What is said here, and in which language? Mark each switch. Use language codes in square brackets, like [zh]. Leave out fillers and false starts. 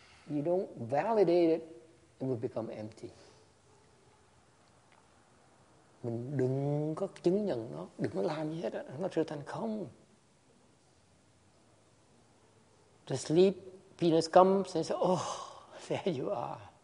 [en] You don't validate it, it will become empty. [vi] Mình đừng có chứng nhận nó, đừng có làm gì hết á, nó trở thành không. [en] The sleep, Venus comes and says, oh, there you are.